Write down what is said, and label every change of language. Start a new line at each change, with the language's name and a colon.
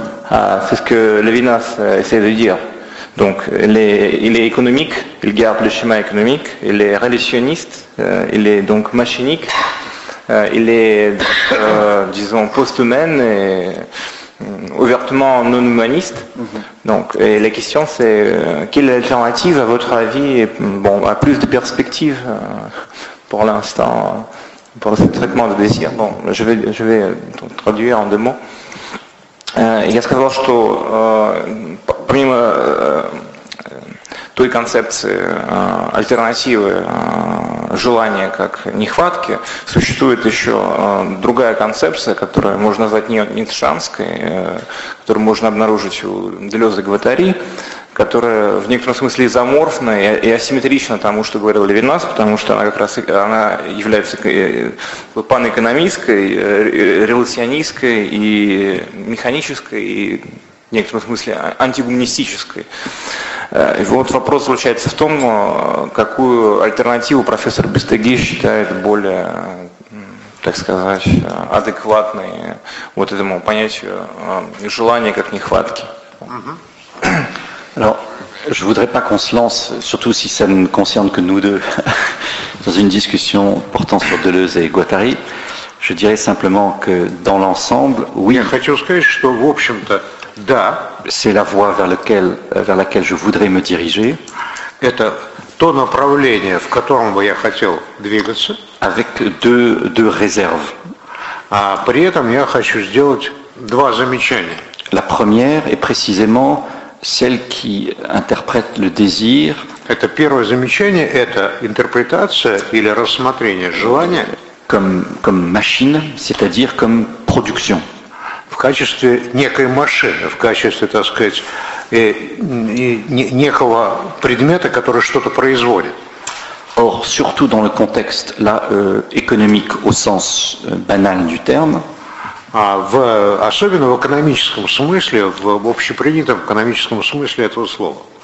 French: Ah, c'est ce que Levinas essaie de dire. Donc, il est économique, il garde le schéma économique, il est réductionniste, il est donc machinique, il est, disons, post-humaine et ouvertement non-humaniste. Donc, et la question c'est, quelle est l'alternative à votre avis, à plus de perspectives pour l'instant, pour ce traitement de désir? Bon, je vais donc, traduire en deux mots.
Russian: Я сказал, что помимо той концепции альтернативы желания как нехватки, существует еще другая концепция, которую можно назвать нитшанской, которую можно обнаружить у Делеза и Гватари, которая в некотором смысле изоморфна и асимметрична тому, что говорил Левинас, потому что она как раз она является панэкономистской, релационистской и механической, и в некотором смысле антигуманистической. И вот вопрос заключается в том, какую альтернативу профессор Бестеги считает более, так сказать, адекватной вот этому понятию желания как нехватки.
French: Alors, je voudrais pas qu'on se lance, surtout si ça ne concerne que nous deux, dans une discussion portant sur Deleuze et Guattari. Je dirais simplement que dans l'ensemble, oui.
Russian: Я хочу сказать, что в общем-то, да.
French: C'est la voie vers laquelle je voudrais me diriger.
Russian: Это то направление, в котором бы я хотел двигаться.
French: Avec deux réserves.
Russian: А при этом я хочу сделать два замечания.
French: La première est précisément celle qui interprète le désir.
Russian: Это первое замечание, это интерпретация или рассмотрение желания.
French: Comme machine, c'est-à-dire comme production.
Russian: В качестве некой машины, в качестве, так сказать, некого предмета, который что-то производит.
French: Or, surtout dans le contexte là, économique au sens banal du terme.
Russian: А в особенно в экономическом смысле, в общепринятом экономическом смысле этого слова.